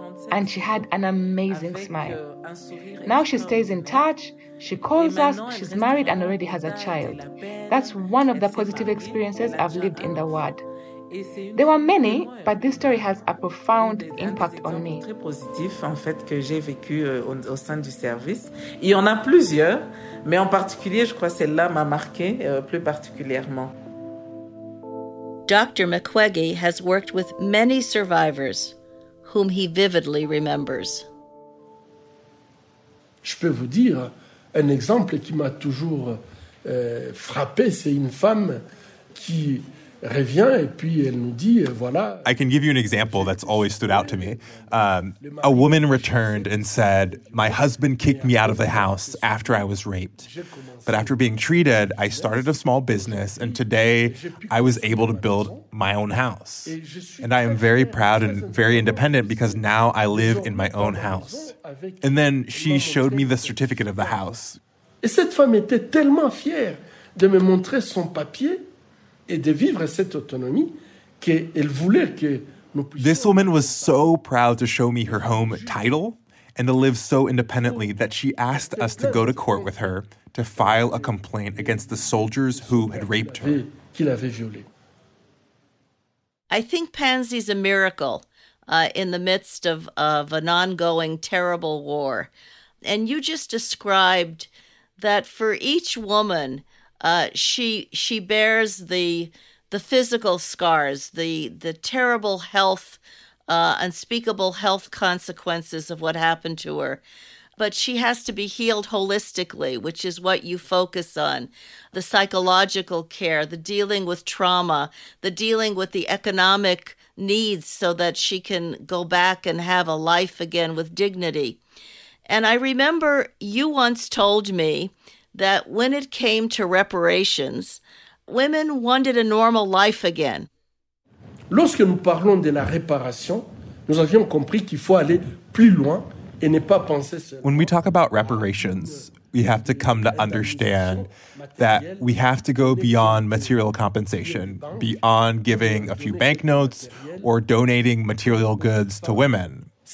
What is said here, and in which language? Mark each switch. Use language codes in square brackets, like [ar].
[en] And she had an amazing smile. Now she stays in touch. She calls us, she's married and already has a child. That's one of the positive experiences I've lived in the world. There were many, but this story has a profound impact on me. [fr] Très positif en fait que j'ai vécu au sein du service. Il y en a plusieurs, mais en particulier, je crois celle-là m'a marqué plus particulièrement. [en] Dr. Mukwege has worked with many survivors whom he vividly remembers. [fr] Je peux vous dire un exemple qui m'a toujours frappé, c'est une femme qui revient et puis elle nous dit, voilà. [en] I can give you an example that's always stood out to me. A woman returned and said, my husband kicked me out of the house after I was raped. But after being treated, I started a small business and today I was able to build my own house. And I am very proud and very independent because now I live in my own house. And then she showed me the certificate of the house. [fr] Et cette femme était tellement fière de me montrer son papier et de vivre cette autonomie qu'elle voulait que nous puissions. [en] This woman was so proud to show me her home title and to live so independently that she asked us to go to court with her to file a complaint against the soldiers who had raped her. [fr] Qui l'avait violée. [en] I think Pansy's a miracle in the midst of an ongoing terrible war. And you just described that for each woman, she bears the physical scars, the terrible health, unspeakable health consequences of what happened to her. But she has to be healed holistically, which is what you focus on. The psychological care, the dealing with trauma, the dealing with the economic needs so that she can go back and have a life again with dignity. And I remember you once told me that when it came to reparations, women wanted a normal life again. [fr] Lorsque nous parlons de la réparation, nous avions compris qu'il faut aller plus loin. [en] When we talk about reparations, we have to come to understand that we have to go beyond material compensation, beyond giving a few banknotes or donating material goods to women.